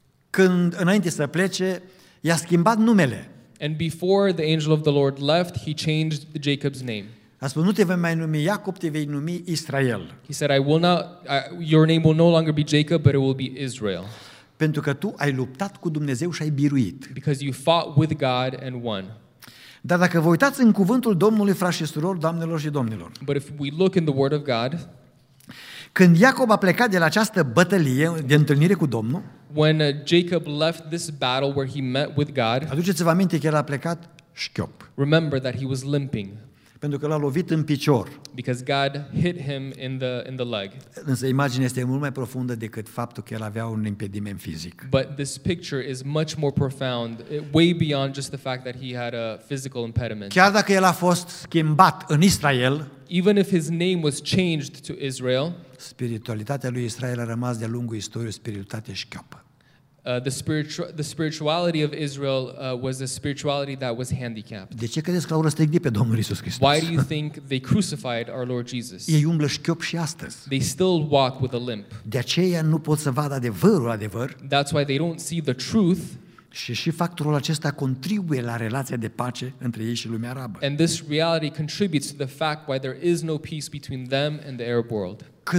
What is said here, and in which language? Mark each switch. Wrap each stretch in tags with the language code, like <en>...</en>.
<ro>Când înainte să plece, i-a schimbat numele.</ro> <en>And before the angel of the Lord left, he changed Jacob's name.</en> <ro>A spus: nu te vei mai numi Iacob, te vei numi Israel.</ro> <en>He said, I will not, your name will no longer be Jacob, but it will be Israel.</en> <ro>Pentru că tu ai luptat cu Dumnezeu și ai biruit.</ro> <en>Because you fought with God and won.</en> <ro>Dar dacă vă uitați în cuvântul Domnului, frați și surori, doamnelor și domnilor.</ro> <en>But if we look in the word of God,</en> <ro>când Iacob a plecat de la această bătălie de întâlnire cu Domnul,</ro> <en>when Jacob left this battle where he met with God,</en> <ro>aduceți-vă aminte că el a plecat șchiop.</ro> <en>Remember that he was limping.</en> <ro>Pentru că l-a lovit în picior.</ro> <en>Because God hit him in the leg.</en> <ro>Însă imaginea este mult mai profundă decât faptul că el avea un impediment fizic.</ro> <en>But this picture is much more profound, way beyond just the fact that he had a physical impediment.</en> <ro>Chiar dacă el a fost schimbat în Israel,</ro> <en>even if his name was changed to Israel,</en> <ro>spiritualitatea lui Israel a rămas de-a lungul istoriei spiritualitate șchiopă.</ro> <en>The spirituality of Israel was a spirituality that was handicapped.</en> <ro>De ce credeți că l-au răstignit pe Domnul Iisus Hristos?</ro> <en>Why do you think they crucified our Lord Jesus?</en> <ro>Ei umblă șchiop și astăzi.</ro> <en>They still walk with a limp.</en> <ro>De aceea nu pot să vadă adevărul adevăr.</ro> <en>That's why they don't see the truth.</en> <ro>Și factorul acesta contribuie la relația de pace între ei și lumea arabă.</ro> <en>And this reality contributes to the fact why there is no peace between them and the Arab world.</en>